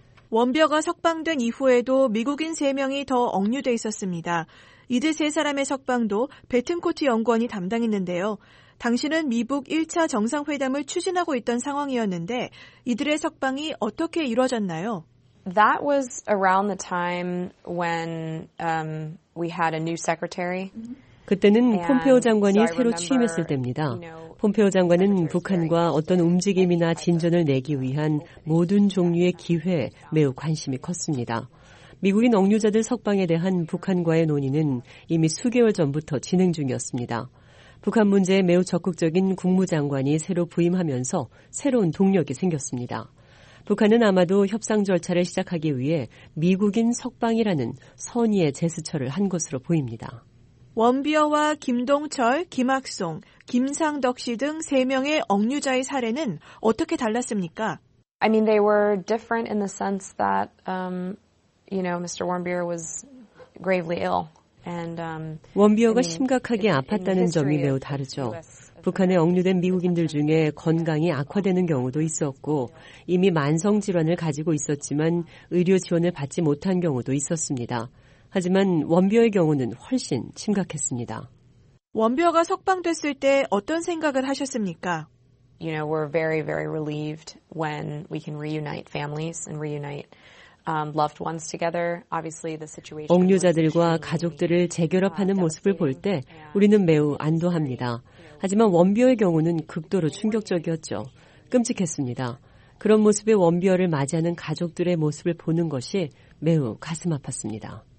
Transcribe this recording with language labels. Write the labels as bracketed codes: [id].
[ko] 원비어가 석방된 이후에도 미국인 3명이 더 억류돼 있었습니다. 이들 3사람의 석방도 베튼코트 연구원이 담당했는데요. 당시는 미북 1차 정상회담을 추진하고 있던 상황이었는데 이들의 석방이 어떻게 이루어졌나요? [en] That was around the time when we had a new secretary. [ko] 그때는 폼페오 장관이 새로 취임했을 때입니다. 폼페오 장관은 북한과 어떤 움직임이나 진전을 내기 위한 모든 종류의 기회에 매우 관심이 컸습니다. 미국인 억류자들 석방에 대한 북한과의 논의는 이미 수개월 전부터 진행 중이었습니다. 북한 문제에 매우 적극적인 국무장관이 새로 부임하면서 새로운 동력이 생겼습니다. 북한은 아마도 협상 절차를 시작하기 위해 미국인 석방이라는 선의의 제스처를 한 것으로 보입니다. 원비어와 김동철, 김학송, 김상덕 씨 등 세 명의 억류자의 사례는 어떻게 달랐습니까? [en] I mean, they were different in the sense that, you know, Mr. Warmbier was gravely ill. And [ko] 원비어가 심각하게 아팠다는 점이 매우 다르죠. 북한에 억류된 미국인들 중에 건강이 악화되는 경우도 있었고 이미 만성 질환을 가지고 있었지만 의료 지원을 받지 못한 경우도 있었습니다. 하지만 원비어의 경우는 훨씬 심각했습니다. 원비어가 석방됐을 때 어떤 생각을 하셨습니까? [en] You know, we're very, very relieved when we can reunite families and reunite loved ones together. Obviously, the situation. [ko] 억류자들과 가족들을 재결합하는 모습을 볼 때 우리는 매우 안도합니다. 하지만 원비어의 경우는 극도로 충격적이었죠. 끔찍했습니다. 그런 모습의 원비어를 맞이하는 가족들의 모습을 보는 것이 매우 가슴 아팠습니다.